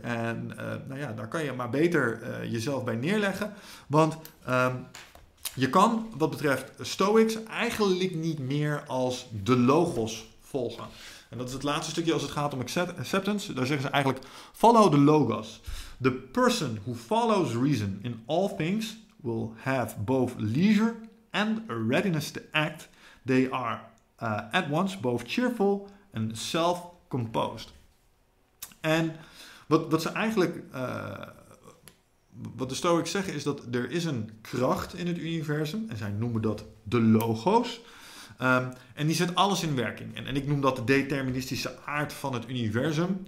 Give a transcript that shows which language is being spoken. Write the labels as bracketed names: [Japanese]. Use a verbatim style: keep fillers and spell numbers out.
[Dutch] En uh, nou ja, daar kan je maar beter uh, jezelf bij neerleggen. Want uh, je kan wat betreft Stoics eigenlijk niet meer als de logos volgen. En dat is het laatste stukje als het gaat om acceptance. Daar zeggen ze eigenlijk, [English] follow the logos. The person who follows reason in all things will have both leisure and a readiness to act. They are uh, at once both cheerful and self-composed. [Dutch] En wat, wat ze eigenlijk, uh, wat de Stoics zeggen is dat er is een kracht in het universum. En zij noemen dat de logos. Um, en die zet alles in werking. En, en ik noem dat de deterministische aard van het universum.